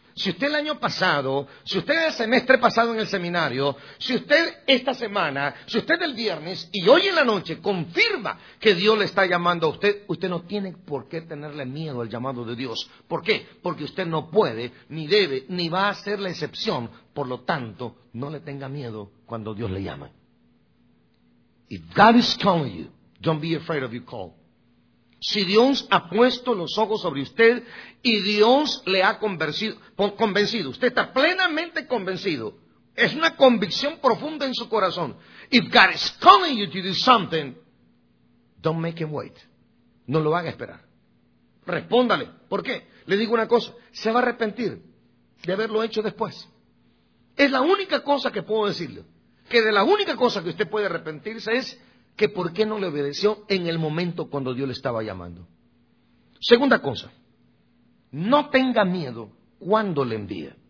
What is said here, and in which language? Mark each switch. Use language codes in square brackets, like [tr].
[es] Si usted el año pasado, si usted el semestre pasado en el seminario, si usted esta semana, si usted el viernes y hoy en la noche confirma que Dios le está llamando a usted, usted no tiene por qué tenerle miedo al llamado de Dios. ¿Por qué? Porque usted no puede, ni debe, ni va a ser la excepción. Por lo tanto, no le tenga miedo cuando Dios le llame. [en] If God is calling you, don't be afraid of your call. [es] Si Dios ha puesto los ojos sobre usted y Dios le ha convencido, usted está plenamente convencido, es una convicción profunda en su corazón. [en] If God is calling you to do something, don't make him wait. [es] No lo haga esperar. Respóndale. ¿Por qué? Le digo una cosa, se va a arrepentir de haberlo hecho después. Es la única cosa que puedo decirle, que de la única cosa que usted puede arrepentirse es que por qué no le obedeció en el momento cuando Dios le estaba llamando. Segunda cosa, no tenga miedo cuando le envíe.